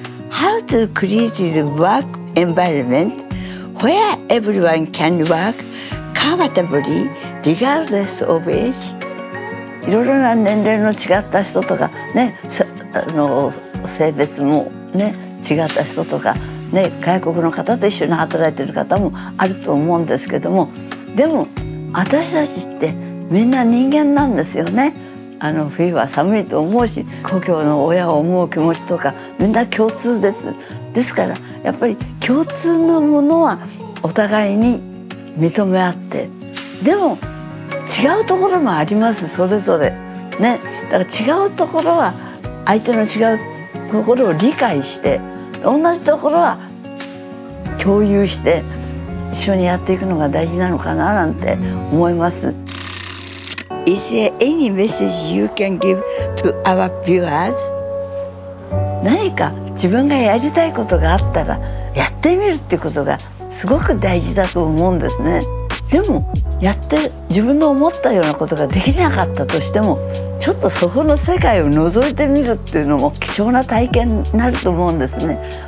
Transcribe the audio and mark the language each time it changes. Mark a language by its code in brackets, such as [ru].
[en] How to create the work environment where everyone can work comfortably regardless of age? [ja] いろいろな年齢の違った人とか、ね、性別も、ね、違った人とか、ね、外国の方と一緒に働いている方もあると思うんですけども、でも私たちってみんな人間なんですよね。冬は寒いと思うし、故郷の親を思う気持ちとかみんな共通です。ですからやっぱり共通のものはお互いに認め合って、でも違うところもあります、それぞれ、ね、だから違うところは相手の違うところを理解して、同じところは共有して一緒にやっていくのが大事なのかななんて思います。 [en] Is there any message you can give to our viewers? [ja] 何か自分がやりたいことがあったらやってみるってことがすごく大事だと思うんですね。でもやって自分の思ったようなことができなかったとしても、ちょっとそこの世界を覗いてみるっていうのも貴重な体験になると思うんですね。